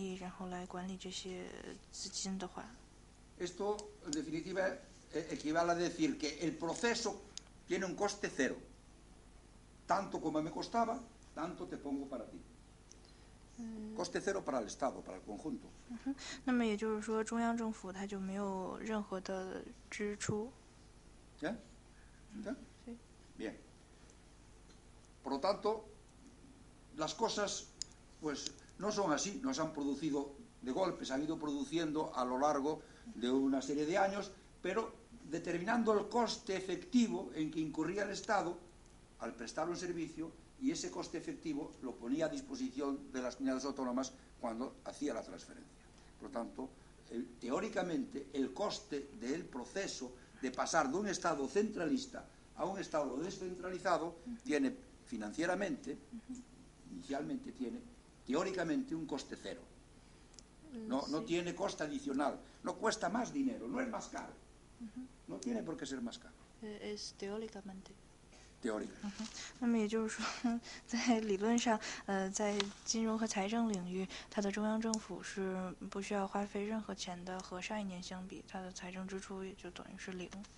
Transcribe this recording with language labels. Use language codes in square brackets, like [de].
[zh] 那么如果第二年呢，就把所有的这些地方的财政，就所有中西班牙的这种财政收入，在划拨的时候划拨给地方，然后让地方享有这种自治的权利，然后来管理这些资金的话。 [es] Esto en definitiva equivale a decir que el proceso tiene un coste cero. Tanto como me costaba, tanto te pongo para ti. Coste cero para el Estado, para el conjunto. [zh] 那么也就是说中央政府它就没有任何的支出。 [es] ¿Ya? ¿Ya? Bien. Por lo tanto, las cosas pues no son así, no se han producido de golpe, se han ido produciendo a lo largo de una serie de años, pero determinando el coste efectivo en que incurría el Estado al prestar un servicio, y ese coste efectivo lo ponía a disposición de las comunidades autónomas cuando hacía la transferencia. Por lo tanto, teóricamente, el coste del proceso de pasar de un Estado centralista a un Estado descentralizado tiene financieramente, inicialmente tiene, teóricamente, un coste cero. No tiene coste adicional, no cuesta más dinero, no es más caro. No tiene por qué ser más caro. Es teóricamente. Teórica. [zh] 那么也就是说，在理论上，在金融和财政领域，它的中央政府是不需要花费任何钱的，和上一年相比，它的财政支出也就等于是零。